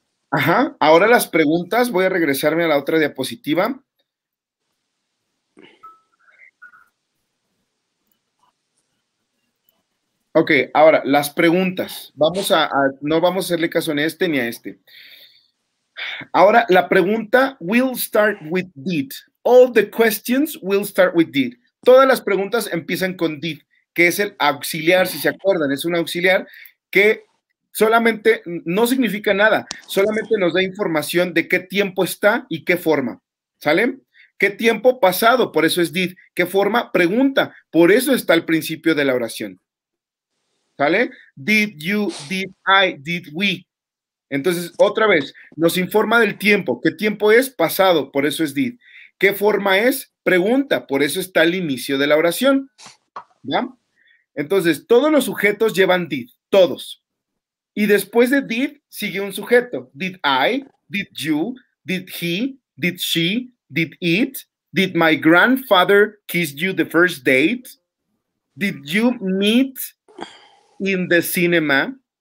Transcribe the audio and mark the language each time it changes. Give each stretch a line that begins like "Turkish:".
Spanish: Ajá, ahora las preguntas, voy a regresarme a la otra diapositiva. Ok, ahora las preguntas. No vamos a hacerle caso ni a este ni a este. Ahora la pregunta
English: will start with did. All the questions will start with did.
Spanish: Todas las preguntas empiezan con did, que es el auxiliar, si se acuerdan, es un auxiliar que solamente no significa nada, solamente nos da información de qué tiempo está y qué forma. ¿Sale? ¿Qué tiempo pasado? Por eso es did. ¿Qué forma? Pregunta. Por eso está al principio de la oración. ¿Sale?
English: Did you, did I, did we?
Spanish: Entonces, otra vez, nos informa del tiempo. ¿Qué tiempo es? Pasado, por eso es did. ¿Qué forma es? Pregunta, por eso está al inicio de la oración. ¿Ya? Entonces, todos los sujetos llevan did, todos. Y después de did, sigue un sujeto.
English: Did I, did you, did he, did she, did it, did my grandfather kiss you the first date? Did you meet in the cinema?